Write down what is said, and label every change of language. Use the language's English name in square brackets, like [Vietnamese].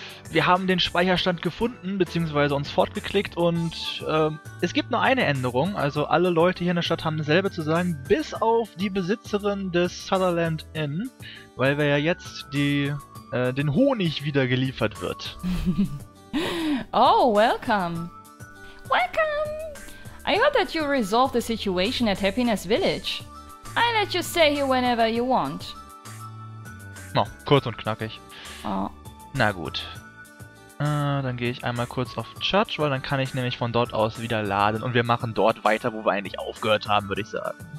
[German] Wir haben den Speicherstand gefunden, beziehungsweise uns fortgeklickt und es gibt nur eine Änderung. Also alle Leute hier in der Stadt haben dasselbe zu sagen, bis auf die Besitzerin des Sutherland Inn, weil wir ja jetzt den Honig wieder geliefert wird. [English] Oh, welcome. Welcome. I heard that you resolved the situation at Happiness Village. I'll let you stay here whenever you want. [German] Oh, kurz und knackig. Oh. Na gut. Dann gehe ich einmal kurz auf Judge, weil dann kann ich nämlich von dort aus wieder laden und wir machen dort weiter, wo wir eigentlich aufgehört haben, würde ich sagen.